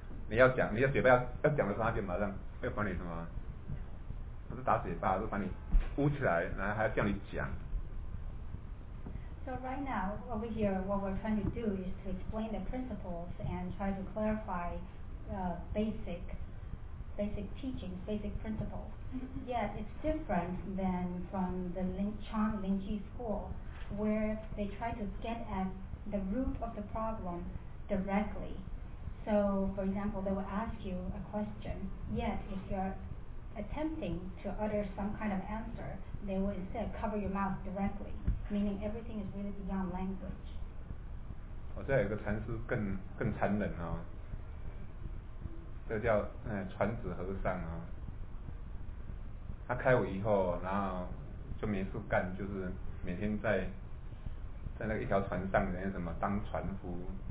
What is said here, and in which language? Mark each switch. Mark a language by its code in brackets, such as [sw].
[zh] 你要讲，你要嘴巴要讲的时候，他就马上要把你什么，不是打嘴巴，是把你捂起来，然后还要叫你讲。 [en] So right now, over here, what we're trying to do is to explain the principles and try to clarify basic teachings, basic principles. Yet it's different than from the Linji school, where they try to get at the root of the problem directly. So, for example, they will ask you a question. Yet if you're attempting to utter some kind of answer, they will instead cover your mouth directly. Meaning everything is really beyond language. [zh] 这有个禅师更残忍哦，这叫传子和尚哦。他开悟以后，然后就没事干，就是每天在那个一条船上，人家什么当船夫。